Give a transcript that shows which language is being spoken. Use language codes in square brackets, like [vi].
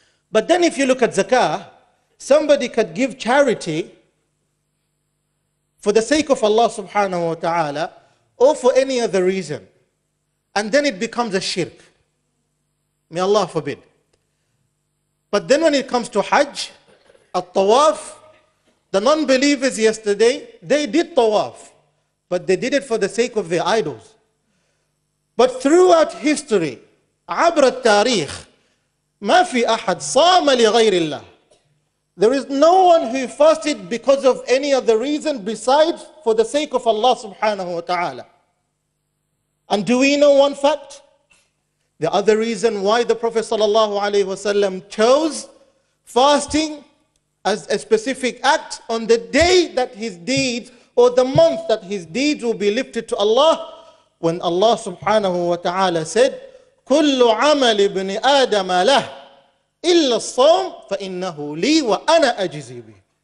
[en] But then if you look at zakah, somebody could give charity for the sake of Allah subhanahu wa ta'ala or for any other reason. And then it becomes a shirk. May Allah forbid. But then when it comes to hajj, at-tawaf, the non-believers yesterday, they did tawaf, but they did it for the sake of their idols. But throughout history, [ar] عبر التاريخ, ما في أحد صام لغير الله. [en] There is no one who fasted because of any other reason besides for the sake of Allah subhanahu wa ta'ala. And do we know one fact? The other reason why the Prophet sallallahu alayhi wasallam chose fasting as a specific act on the day that his deeds or the month that his deeds will be lifted to Allah, when Allah subhanahu wa ta'ala said, [ar] كُلُّ عَمَلِ ابْنِ آدَمَ لَهُ إِلَّا الصَّوْمِ فَإِنَّهُ لِي وَأَنَا أَجِزِي بِهِ.